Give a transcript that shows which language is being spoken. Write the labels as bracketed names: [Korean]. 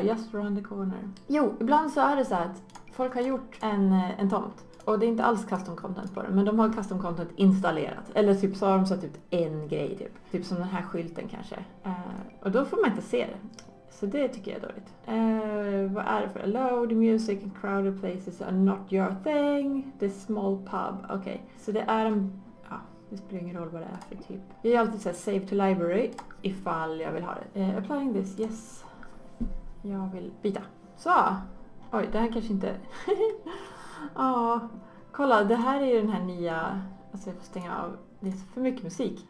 [Swedish] Just around the corner. Jo, ibland så är det så att folk har gjort en tomt. Och det är inte alls custom content på den. Men de har custom content installerat. Eller typ så har de satt ut en grej typ. Typ som den här skylten kanske. Och då får man inte se det. Så det tycker jag är dåligt. Vad är det för? [English] Loud music and crowded places are not your thing. [Swedish] This small pub. Okej. Okay. Så det är en... Ja, det spelar ingen roll vad det är för typ. Jag gör alltid så här save to library. Ifall jag vill ha det. Applying this. Yes. Jag vill byta. Så! Oj, det här kanske inte... Ja, kolla, det här är ju den här nya... Alltså jag får stänga av, det är för mycket musik.